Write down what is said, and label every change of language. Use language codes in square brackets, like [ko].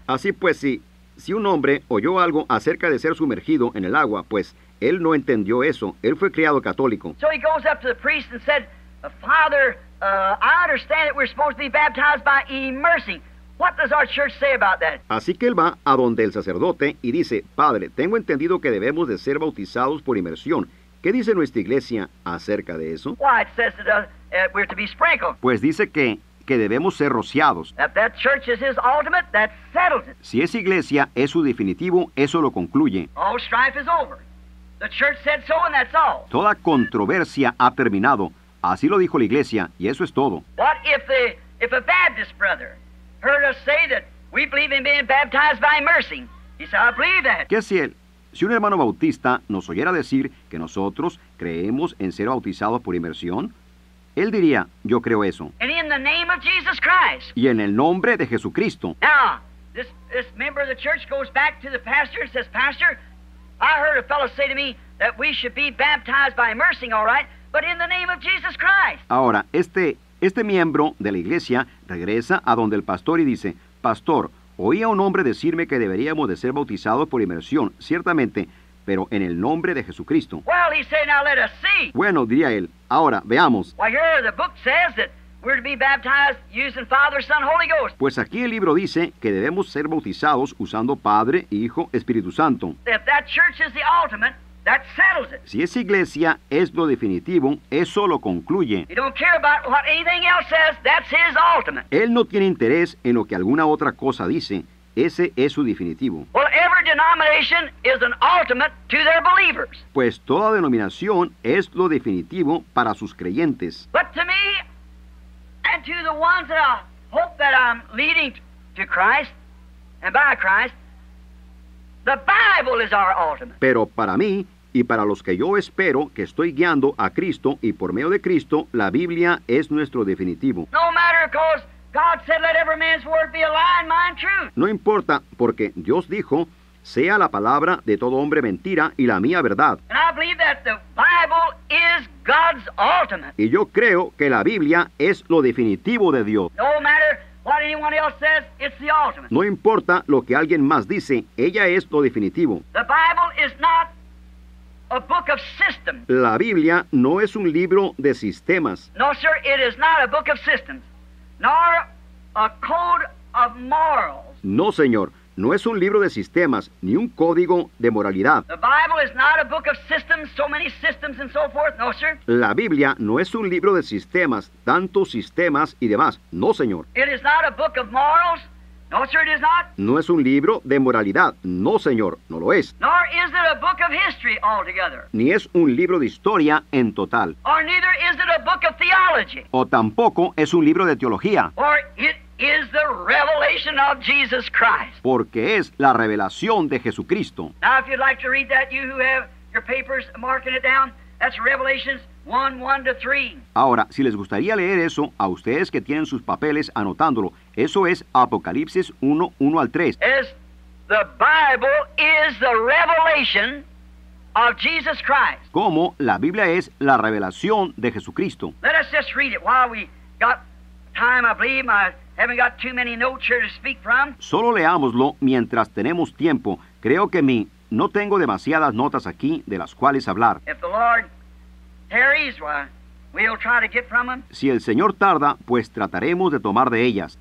[es] Así pues, si un hombre oyó algo acerca de ser sumergido en el agua, pues él no entendió eso. Él fue criado católico. [en] So he goes up to the priest and said, Father, I understand that we're supposed to be baptized by immersing. What does our church say about that? [es] Así que él va a donde el sacerdote y dice, Padre, tengo entendido que debemos de ser bautizados por inmersión. ¿Qué dice nuestra iglesia acerca de eso? [en] Why, it says that we're to be sprinkled. [es] Pues dice que debemos ser rociados. [en] If that church is his ultimate, that settles it. [es] Si esa iglesia es su definitivo, eso lo concluye. [en] All strife is over. The church said so, and that's all. [es] Toda controversia ha terminado. Así lo dijo la iglesia, y eso es todo. [en] What if a Baptist brother heard us say that we believe in being baptized by immersing? He said, I believe that. [es] ¿Qué si él? Si un hermano bautista nos oyera decir que nosotros creemos en ser bautizados por inmersión, él diría, yo creo eso. [en] And in the name of Jesus Christ. [es] Y en el nombre de Jesucristo. [en] Now, this member of the church goes back to the pastor and says, Pastor, I heard a fellow say to me that we should be baptized by immersing, all right, but in the name of Jesus Christ. [es] Ahora, este miembro de la iglesia regresa a donde el pastor y dice, Pastor, oí a un hombre decirme que deberíamos de ser bautizados por inmersión, ciertamente, pero en el nombre de Jesucristo. [en] Well, he said, now let us see. [es] Bueno, diría él, ahora, veamos. [en] Well, here the book says that we're to be baptized using Father, Son, Holy Ghost. [es] Pues aquí el libro dice que debemos ser bautizados usando Padre, Hijo, Espíritu Santo. [en] If that church is the ultimate, that settles it. [es] Si esa iglesia es lo definitivo, eso lo concluye. [en] He don't care about what anything else says, that's his ultimate. [es] Él no tiene interés en lo que alguna otra cosa dice. Ese es su definitivo. [en] Well, every denomination is an ultimate to their believers. [es] Pues toda denominación es lo definitivo para sus creyentes. [en] But to me, and to the ones that I hope that I'm leading to Christ and by Christ, the Bible is our ultimate. [es] Pero para mí y para los que yo espero que estoy guiando a Cristo y por medio de Cristo, la Biblia es nuestro definitivo. [en] No matter, because God said, let every man's word be a lie and mine truth. [es] No importa, porque Dios dijo, sea la palabra de todo hombre mentira y la mía verdad. [en] And I believe that the Bible is God's ultimate. [es] Y yo creo que la Biblia es lo definitivo de Dios. [en] No matter what anyone else says, it's the ultimate. [es] No importa lo que alguien más dice, ella es lo definitivo. [en] The Bible is not a book of systems. [es] La Biblia no es un libro de sistemas. [en] No, sir, it is not a book of systems. Nor a code of morals. [es] No, señor, no es un libro de sistemas, ni un código de moralidad. [en] The Bible is not a book of systems, so many systems and so forth. No, sir. [es] La Biblia no es un libro de sistemas, tantos sistemas y demás. No, señor. [en] It is not a book of morals. No, sir, it is not. [es] No es un libro de moralidad. No, señor, no lo es. [en] Nor is it a book of history altogether. [es] Ni es un libro de historia en total. [en] Or neither is it a book of theology. [es] O tampoco es un libro de teología. [en] Or it is the revelation of Jesus Christ. [es] Porque es la revelación de Jesucristo. [en] Now, if you'd like to read that, you who have your papers marking it down, that's Revelations 1:1-3. [es] Ahora, si les gustaría leer eso a ustedes que tienen sus papeles anotándolo, eso es Apocalipsis 1:1-3. [en] As the Bible is the revelation of Jesus Christ. [es] Como la Biblia es la revelación de Jesucristo. [en] Let us just read it while we got time, I believe. I haven't got too many notes here to speak from. [es] Solo leámoslo mientras tenemos tiempo. Creo que no tengo demasiadas notas aquí de las cuales hablar. [en] If the Lord tarries, well, we'll try to get from them. [es] Si el Señor tarda, pues trataremos de tomar de ellas.